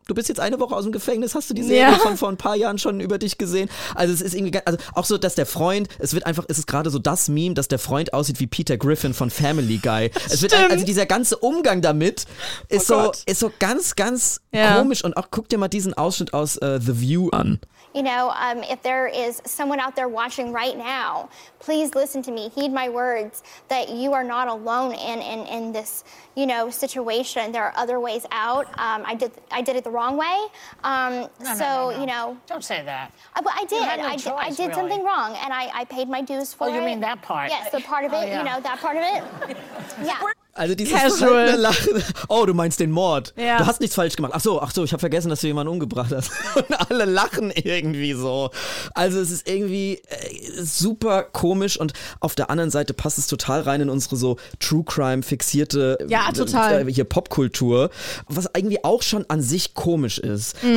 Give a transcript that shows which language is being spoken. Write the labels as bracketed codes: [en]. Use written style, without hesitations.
[de] Du bist jetzt eine Woche aus dem Gefängnis, hast du die Serie von vor ein paar Jahren schon über dich gesehen? Also es ist irgendwie, also auch so, dass der Freund, es wird einfach, es ist gerade so das Meme, dass der Freund aussieht wie Peter Griffin von Family Guy. Es wird, also dieser ganze Umgang damit ist, ist so ganz, ganz komisch. Und auch guck dir mal diesen Ausschnitt aus The View an. [en] You know, if there is someone out there watching right now, please listen to me, heed my words, that you are not alone in this, you know, situation. There are other ways out. I did it the wrong way. You know. Don't say that. I did something wrong, and I paid my dues for it. Oh, you mean that part? Yes, the part of it, you know, that part of it. Yeah. [de] Also dieses Lachen. Oh, du meinst den Mord. Ja. Du hast nichts falsch gemacht. Ach so, ich habe vergessen, dass du jemanden umgebracht hast. Und alle lachen irgendwie so. Also es ist irgendwie super komisch und auf der anderen Seite passt es total rein in unsere so True Crime fixierte hier Popkultur, was irgendwie auch schon an sich komisch ist. Mhm.